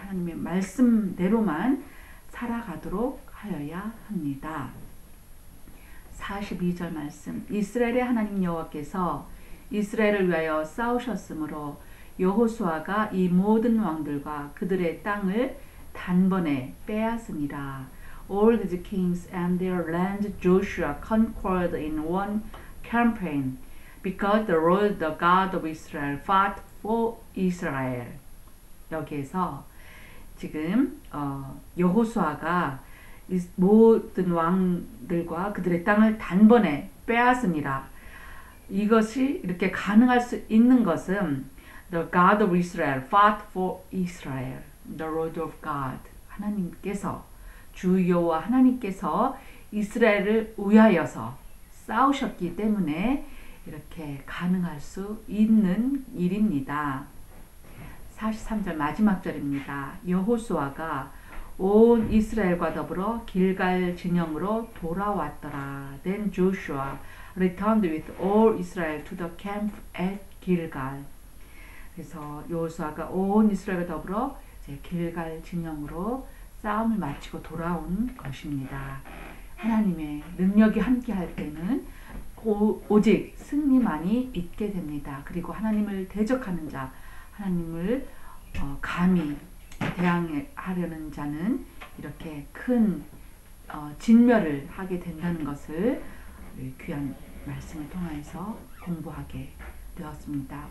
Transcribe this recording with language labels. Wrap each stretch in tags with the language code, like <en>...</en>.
<ko>하나님의 말씀대로만 살아가도록 하여야 합니다. 42절 말씀, 이스라엘의 하나님 여호와께서 이스라엘을 위하여 싸우셨으므로 여호수아가 이 모든 왕들과 그들의 땅을 단번에 빼앗으니라.</ko> <en>All these kings and their land Joshua conquered in one campaign because the Lord, the God of Israel, fought for Israel.</en> <ko>여기에서 지금 여호수아가 이 모든 왕들과 그들의 땅을 단번에 빼앗으니라. 이것이 이렇게 가능할 수 있는 것은</ko> <en>The God of Israel fought for Israel. The Lord of God.</en> <ko>하나님께서, 주 여호와 하나님께서 이스라엘을 위하여서 싸우셨기 때문에 이렇게 가능할 수 있는 일입니다. 43절 마지막 절입니다. 여호수아가 온 이스라엘과 더불어 길갈 진영으로 돌아왔더라.</ko> <en>Then Joshua returned with all Israel to the camp at Gilgal.</en> <ko>그래서 여호수아가 온 이스라엘과 더불어 이제 길갈 진영으로 싸움을 마치고 돌아온 것입니다. 하나님의 능력이 함께 할 때는 오직 승리만이 있게 됩니다. 그리고 하나님을 대적하는 자, 하나님을 감히 대항하려는 자는 이렇게 큰 진멸을 하게 된다는 것을 귀한 말씀을 통해서 공부하게 되었습니다.</ko>